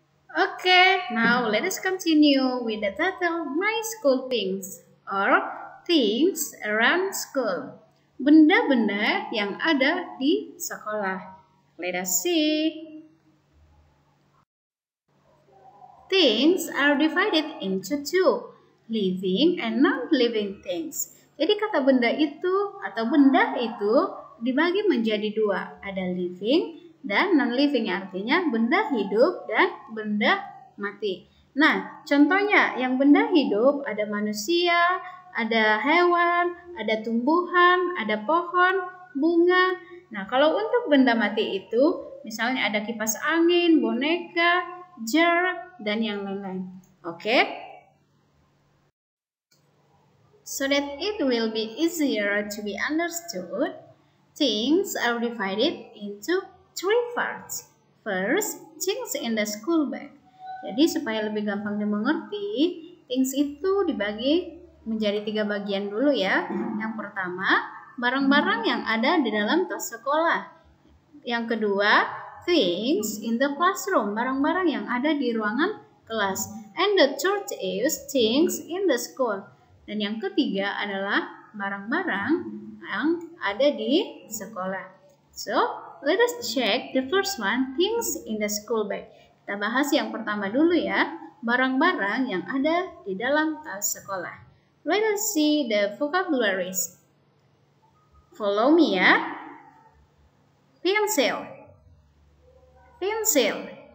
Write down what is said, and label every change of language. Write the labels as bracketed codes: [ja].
[en] Okay, now let us continue with the title My School Things or Things Around School. [id] Benda-benda yang ada di sekolah. [en] Let us see. Things are divided into two, living and non-living things. [id] Jadi kata benda itu atau benda itu dibagi menjadi dua, ada living dan non-living, artinya benda hidup dan benda mati. Nah, contohnya yang benda hidup ada manusia, ada hewan, ada tumbuhan, ada pohon, bunga. Nah, kalau untuk benda mati itu, misalnya ada kipas angin, boneka, jar, dan yang lain-lain. Oke? [en] So that it will be easier to be understood, things are divided into three parts. First, things in the school bag. [id] Jadi, supaya lebih gampang dimengerti, things itu dibagi menjadi tiga bagian dulu ya. Yang pertama, barang-barang yang ada di dalam tas sekolah. Yang kedua, [en] things in the classroom, [id] barang-barang yang ada di ruangan kelas. [en] And the third is things in the school. [id] Dan yang ketiga adalah barang-barang yang ada di sekolah. [en] So, let us check the first one, things in the school bag. [id] Kita bahas yang pertama dulu ya, barang-barang yang ada di dalam tas sekolah. [en] Let us see the vocabularies. Follow me ya. Pencil. Pencil.